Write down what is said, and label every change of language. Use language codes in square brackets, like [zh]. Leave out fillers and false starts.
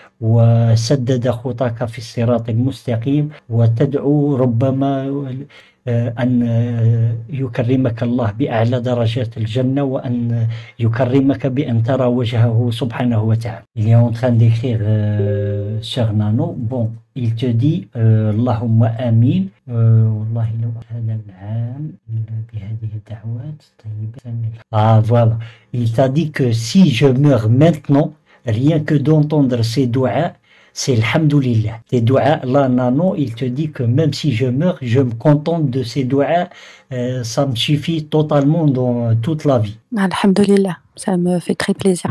[ar] وسدد خطاك في الصراط المستقيم وتدعو ربما أن يكرمك الله بأعلى درجات الجنة وأن يكرمك بأن ترى وجهه سبحانه وتعالى. [fr] Il est en train d'écrire Sœur Nano. Bon, il te dit [ar] اللهم آمين. والله لو هذا العام بهذه الدعوات طيبة. [fr] Ah voilà. Il t'a dit que si je meurs maintenant, rien que d'entendre ces doigts, c'est l'hamdoulilah. Tes doigts, là, Nano, il te dit que même si je meurs, je me contente de ces doigts. Ça me suffit totalement dans toute la vie. Alhamdoulilah. Ça me fait très plaisir.